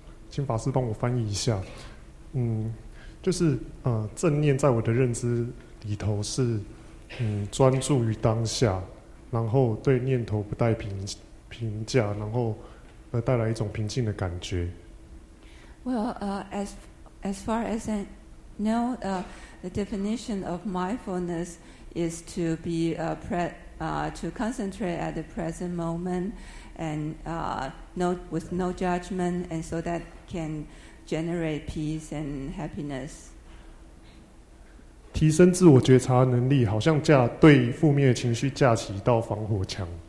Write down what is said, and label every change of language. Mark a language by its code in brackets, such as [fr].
[zh] 请法师帮我翻译一下。就是正念在我的认知里头是专注于当下，然后对念头不带评价，然后带来一种平静的感觉。 [en] Well, as far as I know, the definition of mindfulness is to be to concentrate at the present moment and with no judgment, and so that can generate peace and happiness. [zh] 提升自我觉察能力，好像对负面的情绪架起一道防火墙。